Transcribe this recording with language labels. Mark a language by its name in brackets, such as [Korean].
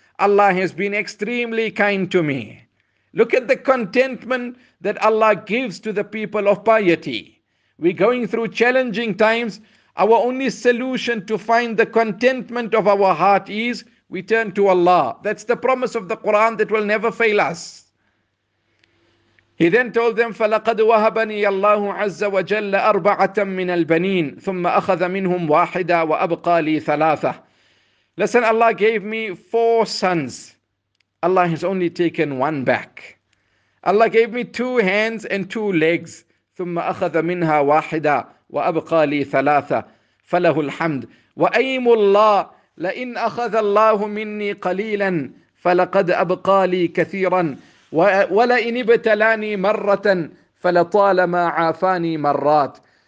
[English] Allah has been extremely kind to me. Look at the contentment that Allah gives to the people of piety. We're going through challenging times. Our only solution to find the contentment of our heart is we turn to Allah. That's the promise of the Quran that will never fail us. He then told them, [Arabic] فَلَقَدْ وَهَبَنِي اللَّهُ عَزَّ وَجَلَّ أَرْبَعَةً مِنَ الْبَنِينَ ثُمَّ أَخَذَ مِنْهُمْ وَاحِدًا وَأَبْقَى لِي ثَلَاثَةً. [English] Listen, Allah gave me four sons. Allah has only taken one back. Allah gave me two hands and two legs. [Arabic] ثُمَّ أَخَذَ مِنْهَا وَاحِدًا وَأَبْقَى لِي ثَلَاثَةً فَلَهُ الْحَمْدُ. وَأَيْمُ اللَّهِ لَئِنْ أَخَذَ اللَّهُ مِنِّي قَلِيلًا فَلَقَدْ أَبْقَى لِي كَثِيرًا وَلَئِنْ ابْتَلَانِي مَرَّةً فَلَطَالَمَا عَافَانِي مَرَّاتٍ.